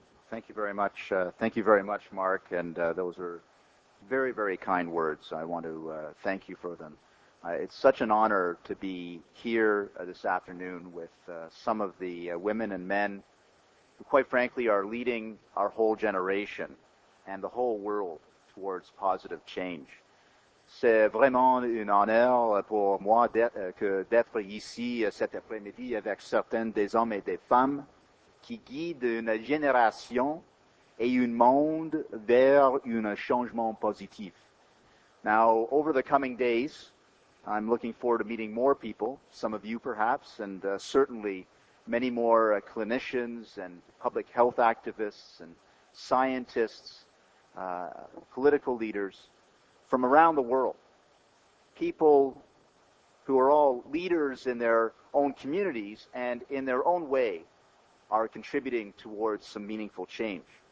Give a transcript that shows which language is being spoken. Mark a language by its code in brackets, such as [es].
[en] Thank you very much. Thank you very much, Mark. And those are very, very kind words. I want to thank you for them. It's such an honor to be here this afternoon with some of the women and men who, quite frankly, are leading our whole generation and the whole world towards positive change. [fr] C'est vraiment un honneur pour moi d'être ici cet après-midi avec certains des hommes et des femmes qui guident une génération et un monde vers un changement positif. [en] Now, over the coming days, I'm looking forward to meeting more people, some of you perhaps, and certainly many more clinicians and public health activists and scientists, political leaders from around the world, people who are all leaders in their own communities and in their own way are contributing towards some meaningful change.